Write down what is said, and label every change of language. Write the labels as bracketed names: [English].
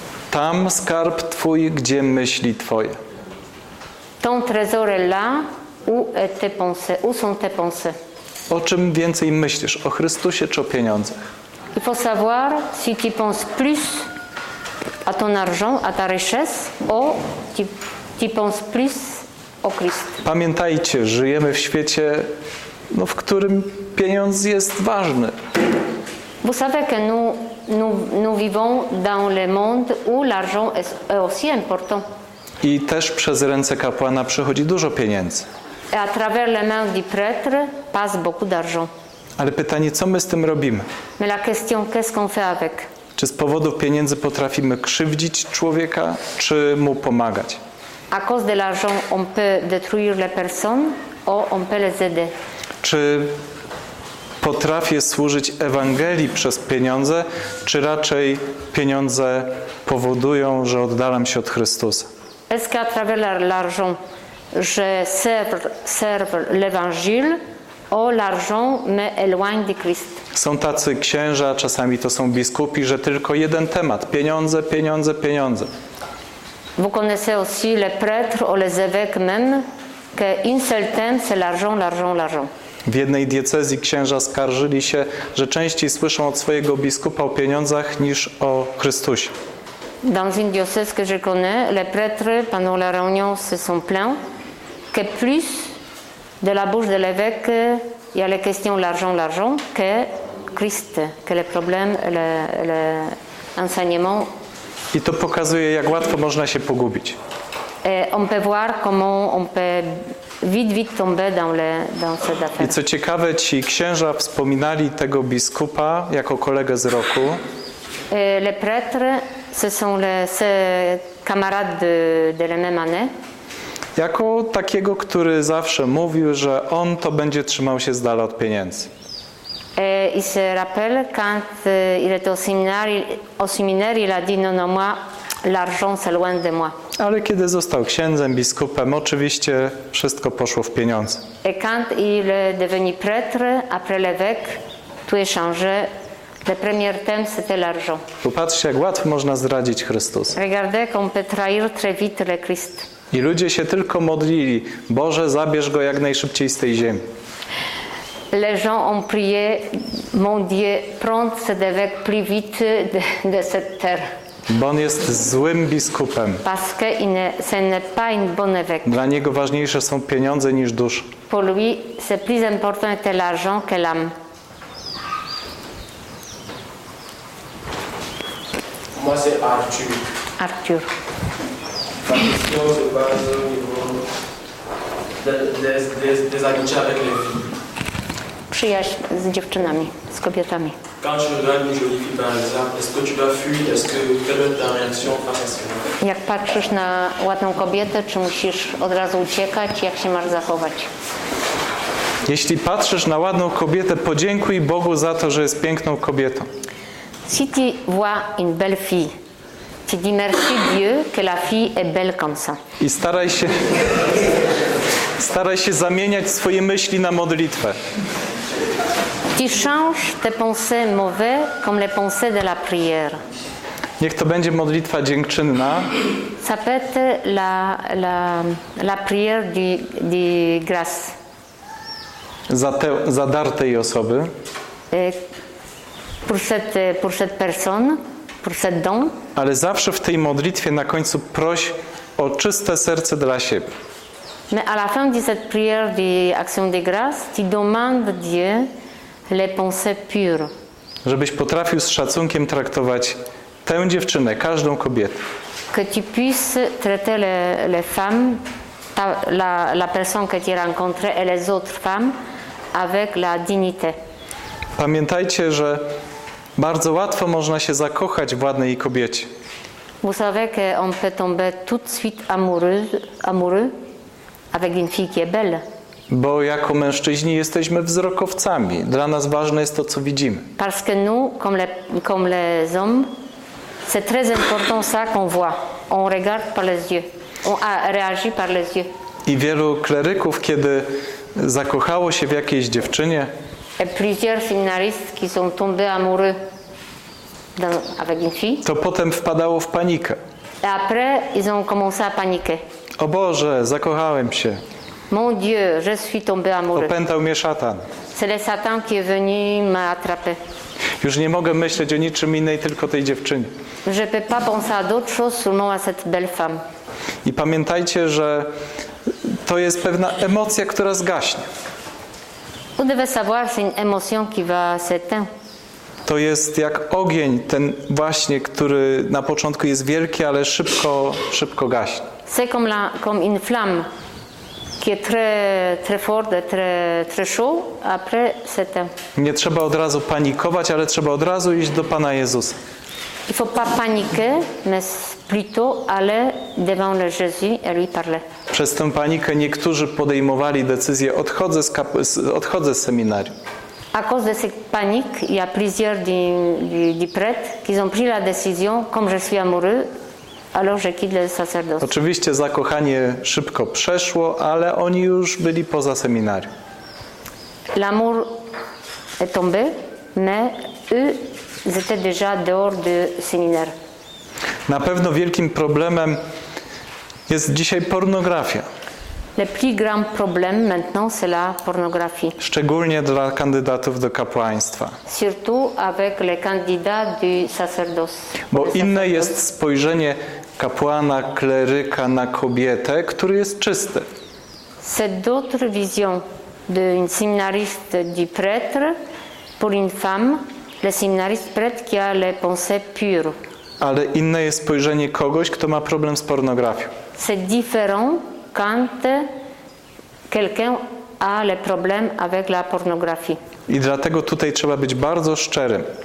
[Polish] Tam skarb twój, gdzie myśli twoje. [French] Ton trésor est là où est tes pensées, où sont tes pensées. [Polish] O czym więcej myślisz, o Chrystusie czy o pieniądzach? [French] Il faut savoir si tu penses plus à ton argent, à ta richesse, ou tu penses plus. [Polish] Pamiętajcie, żyjemy w świecie, no, w którym pieniądz jest ważny. [French] Vous savez que nous vivons dans le monde où l'argent est aussi important. [Polish] I też przez ręce kapłana przychodzi dużo pieniędzy. [French] Et à travers les mains du prêtre passe beaucoup d'argent. [Polish] Ale pytanie, co my z tym robimy? [French] Mais la question, qu'est-ce qu'on fait avec? [Polish] Czy z powodu pieniędzy potrafimy krzywdzić człowieka, czy mu pomagać? [French] À cause de l'argent, on peut détruire les personnes ou on peut les aider. [Polish] Czy potrafię służyć Ewangelii przez pieniądze, czy raczej pieniądze powodują, że oddalam się od Chrystusa? [French] Est-ce qu'à travers l'argent, je serve l'Évangile ou l'argent me éloigne de Christ? [Polish] Są tacy księża, czasami to są biskupi, że tylko jeden temat: pieniądze, pieniądze, pieniądze. [French] Vous connaissez aussi les prêtres ou les évêques même que un seul thème c'est l'argent, l'argent, l'argent. [Polish] W jednej diecezji księża skarżyli się, że częściej słyszą od swojego biskupa o pieniądzach niż o Chrystusie. [French] Dans une diocèse que je connais, les prêtres pendant la réunion se sont plaints que plus de la bouche de l'évêque il y a les questions l'argent, l'argent que Christ, que les problèmes, les enseignements. [Polish] I to pokazuje, jak łatwo można się pogubić. [French] On peut voir comment on peut vite tomber dans cette affaire. [Polish] I co ciekawe, ci księża wspominali tego biskupa jako kolegę z roku. [French] Les prêtres, ce sont les camarades de la même année. [Polish] Jako takiego, który zawsze mówił, że on to będzie trzymał się z dala od pieniędzy. [French] Il se rappelle quand il était au séminaire, il a dit non, moi l'argent c'est loin de moi. [Polish] Ale kiedy został księdzem, biskupem, oczywiście wszystko poszło w pieniądze. [French] Et quand il est devenu prêtre après l'évêque, tout est changé. Le premier thème c'était l'argent. [Polish] Popatrzcie, jak łatwo można zdradzić Chrystusa. [French] Regardez qu'on peut trahir très vite le Christ. [Polish] I ludzie się tylko modlili: Boże, zabierz go jak najszybciej z tej ziemi. [French] Les gens ont prié, mon Dieu, prends cet évêque plus vite de cette terre. [Polish] Bo on jest złym biskupem. [French] Parce que ce n'est pas un bon évêque. [Polish] Dla niego ważniejsze są pieniądze niż dusza. [French] pour lui, c'est plus important que l'argent que l'âme. Moi, c'est Arthur. Arthur. Ma question se base au niveau des amitiés avec les filles. [Polish] Przyjaźń z dziewczynami, z kobietami. [French] Quand tu regardes une jolie fille, par exemple, est-ce que tu vas fuir? Est-ce que quelle est ta réaction face à cela? [Polish] Jak patrzysz na ładną kobietę, czy musisz od razu uciekać? Jak się masz zachować? Jeśli patrzysz na ładną kobietę, podziękuj Bogu za to, że jest piękną kobietą. [French] Si tu vois une belle fille, tu dis merci Dieu que la fille est belle comme ça. [Polish] I staraj się zamieniać swoje myśli na modlitwę. [French] Tu changes tes pensées mauvaises comme les pensées de la prière. [Polish] Niech to będzie modlitwa dziękczynna. [French] Ça peut être la prière de grâce. [Polish] Za dar tej osoby. [French] Pour cette personne, pour cette don. [Polish] Ale zawsze w tej modlitwie na końcu proś o czyste serce dla siebie. [French] Mais à la fin de cette prière d'action de grâce, tu demandes Dieu les pensées pures. [Polish] Żebyś potrafił z szacunkiem traktować tę dziewczynę, każdą kobietę. [French] Que tu puisses traiter les femmes, la personne que tu rencontres et les autres femmes avec la dignité. [Polish] Pamiętajcie, że bardzo łatwo można się zakochać w ładnej kobiecie. [French] Vous savez que on peut tomber tout de suite amoureux avec une fille qui est belle. [Polish] Bo jako mężczyźni jesteśmy wzrokowcami. Dla nas ważne jest to, co widzimy. [French] Parce que nous, comme les hommes, c'est très important ça qu'on voit. On regarde par les yeux. On réagit par les yeux. [Polish] I wielu kleryków, kiedy zakochało się w jakiejś dziewczynie, [French] et plusieurs séminaristes qui sont tombés amoureux avec une fille, [Polish] to potem wpadało w panikę. [French] Et après, ils ont commencé à paniquer. [Polish] O Boże, zakochałem się. [French] Mon Dieu, je suis tombé amoureux. [Polish] Opętał mnie szatan. [French] C'est le Satan qui est venu m'attraper. [Polish] Już nie mogę myśleć o niczym innej, tylko tej dziewczynie. [French] Je peux pas penser à d'autres choses, seulement à cette belle femme. [Polish] I pamiętajcie, że to jest pewna emocja, która zgaśnie. [French] Vous devez savoir, c'est une émotion qui va s'éteindre. [Polish] To jest jak ogień, ten właśnie, który na początku jest wielki, ale szybko gaśnie. [French] C'est comme une flamme qui est très forte, très chaude, après s'éteint. [Polish] Nie trzeba od razu panikować, ale trzeba od razu iść do Pana Jezusa. [French] Il faut pas paniquer, mais plutôt aller devant le Jésus et lui parler. [Polish] Przez tę panikę niektórzy podejmowali decyzję, odchodzę z seminarium. [French] À cause de cette panique, il y a plusieurs des prêtres qui ont pris la décision, comme je suis amoureux, alors je quitte le sacerdoce. [Polish] Oczywiście zakochanie szybko przeszło, ale oni już byli poza seminarium. [French] L'amour est tombé, mais eux, ils étaient déjà dehors du séminaire. [Polish] Na pewno wielkim problemem jest dzisiaj pornografia. [French] Le plus grand problème maintenant, c'est la pornographie. [Polish] Szczególnie dla kandydatów do kapłaństwa. [French] Surtout avec les candidats du sacerdoce. [Polish] Bo inne jest spojrzenie kapłana, kleryka na kobietę, który jest czysty. [French] C'est d'autres visions d'un séminariste, du prêtre, pour une femme, le séminariste prêtre qui a les pensées pures. [Polish] Ale inne jest spojrzenie kogoś, kto ma problem z pornografią. [French] C'est différent quand quelqu'un a le problème avec la pornographie. [Polish] I dlatego tutaj trzeba być bardzo szczerym.